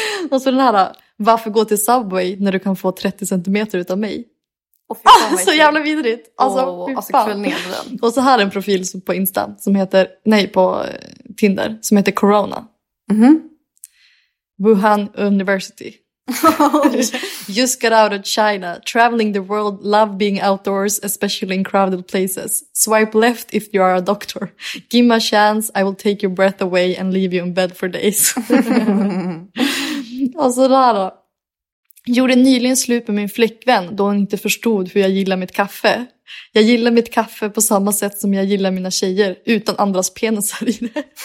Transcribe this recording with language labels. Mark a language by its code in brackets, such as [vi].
[sv] Och så den här, varför gå till Subway när du kan få 30 cm utav mig? Så jävla vidrigt. Alltså, och så här en profil på Insta som heter, nej på Tinder, som heter Corona. Mm-hmm. [en] Wuhan University. Just got out of China, traveling the world, love being outdoors, especially in crowded places. Swipe left if you are a doctor. Give me a chance, I will take your breath away and leave you in bed for days. [sv] Och så där då. Gjorde nyligen slut med min flickvän då hon inte förstod hur jag gillar mitt kaffe. Jag gillar mitt kaffe på samma sätt som jag gillar mina tjejer, utan andras penisar i det.